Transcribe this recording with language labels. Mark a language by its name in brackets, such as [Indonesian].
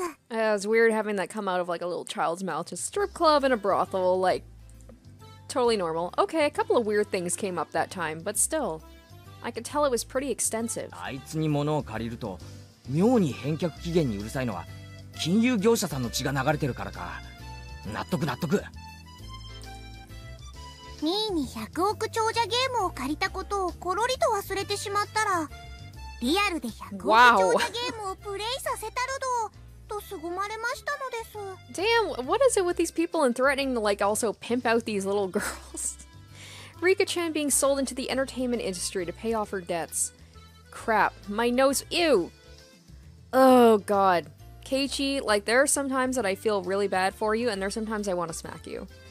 [English] It's weird having that come out of like a little child's mouth, just strip club and a brothel, like totally normal. Okay, a couple of weird things came up that time, but still. I could tell it was pretty extensive. [Japanese] あいつに物を借りると妙に返却期限にうるさいのは金融業者さんの血が流れてるからか。納得納得。ミーに100億長者ゲームを借りたことをコロリと忘れてしまったら、リアルで100億長者ゲームをプレイさせたるどとすごまれましたのです。 [English] Damn, what is it with these people and threatening to like also pimp out these little girls? Rika-chan being sold into the entertainment industry to pay off her debts. Crap, my nose, ew! Oh god. Keiichi, like there are some times that I feel really bad for you and there are some times I want to smack you.